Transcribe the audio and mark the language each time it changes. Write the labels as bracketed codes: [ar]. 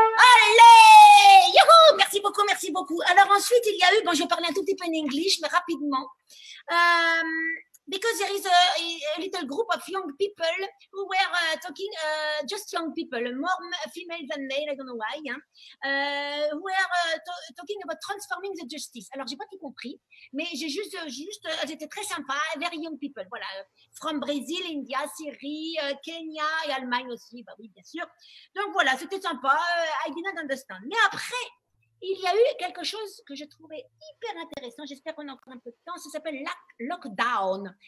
[fr] Allez, youhou, merci beaucoup. Alors ensuite, il y a eu, bon, je vais parler un tout petit peu en anglais, mais rapidement. [en] Because there is a little group of young people who were talking, just young people, more female than male, I don't know why, hein, who were talking about transforming the justice. [fr] Alors, j'ai pas tout compris, mais j'ai juste, c'était très sympa, [en] very young people, [fr] voilà, [en] from Brazil, India, [fr] Syrie, Kenya et Allemagne aussi, bah oui, bien sûr. Donc voilà, c'était sympa, [en] I did not understand. [fr] Mais après, il y a eu quelque chose que je trouvais hyper intéressant, j'espère qu'on a encore un peu de temps, ça s'appelle lockdown.